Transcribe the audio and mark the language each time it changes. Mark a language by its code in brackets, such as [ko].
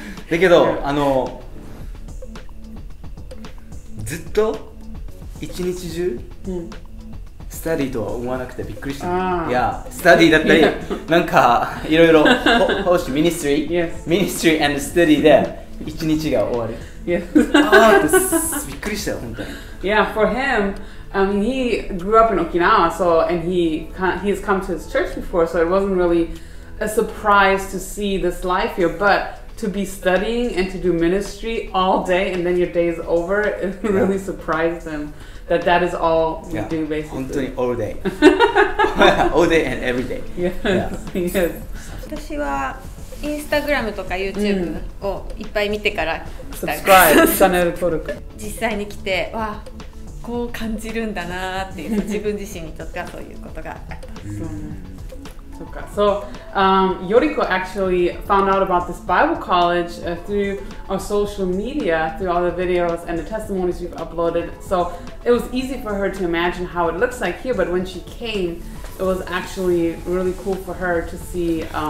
[ja] だけど、あの、ずっと一日中、スタディとは思わなくてびっくりした。いや、スタディだったり、なんかいろいろ、奉仕、ミニストリー&スタディで一日が終わる。 Yes. びっくりしたよ、本当に。 [en] Yeah, for him, he grew up in Okinawa, so, and he has come to his church before, so it wasn't really a surprise to see this life here, but to be studying and to do ministry all day and then your day is over, it really surprised him that is all you do, basically. 本当に all day. all day and every day. Yes. [ja] 私はインスタグラムとか YouTube をいっぱい見てから来たから、Subscribe、チャンネル登録。実際に来て、わあ、こう感じるんだなーっていう、自分自身にとってはそういうことがあった。 [en] So, Yoriko actually found out about this Bible college through our social media, through all the videos and the testimonies we've uploaded. So, it was easy for her to imagine how it looks like here, but when she came, it was actually really cool for her to see